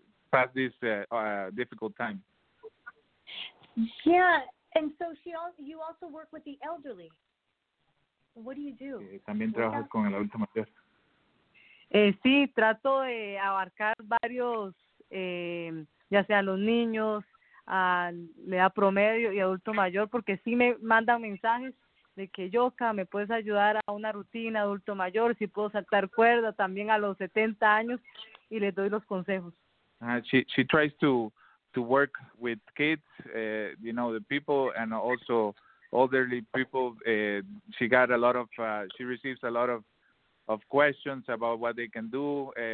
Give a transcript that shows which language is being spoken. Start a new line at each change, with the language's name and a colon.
English: Past this difficult time. Yeah, and so you also work with the elderly. What do you do?
Spanish: También trabajo con el adulto mayor. Sí, trato de abarcar varios, ya sea los niños, a la edad promedio y adulto mayor, porque sí me mandan mensajes de que Yoka, me puedes ayudar a una rutina adulto mayor, si puedo saltar cuerda también a los 70 años. Y les doy los consejos.
English: She tries to work with kids, the people, and also elderly people. She got a lot of she receives a lot of questions about what they can do.